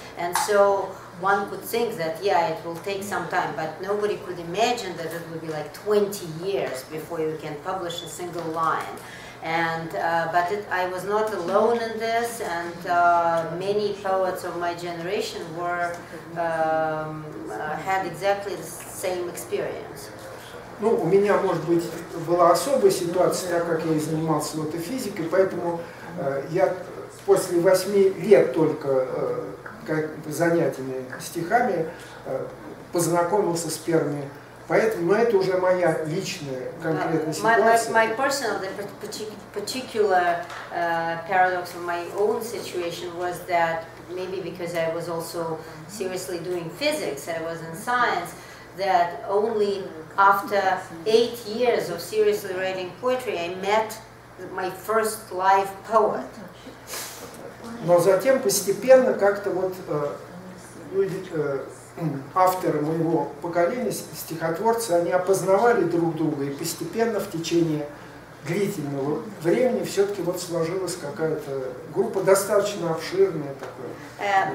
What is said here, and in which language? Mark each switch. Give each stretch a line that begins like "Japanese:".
English: And so one could think that, yeah, it will take some time, but nobody could imagine that it would be like 20 years before you can publish a single line. And I was not alone in this, and many poets of my generation were had exactly the same experience.
Russian: Ну, у меня, может быть, была особая ситуация, так как я занимался вот физикой, поэтому я после 8 лет только занятиями стихами познакомился с первыми. Поэтому, но это уже моя личная конкретная ситуация.
English: My personal, the particular paradox of my own situation was that maybe because I was also seriously doing physics, I was in science, that only after 8 years of seriously writing poetry, I met my first live poet.
Russian: Но затем постепенно как-то вот люди. Авторы моего поколения, стихотворцы, они опознавали друг друга, и постепенно в течение длительного времени все-таки вот сложилась какая-то группа, достаточно обширная такая.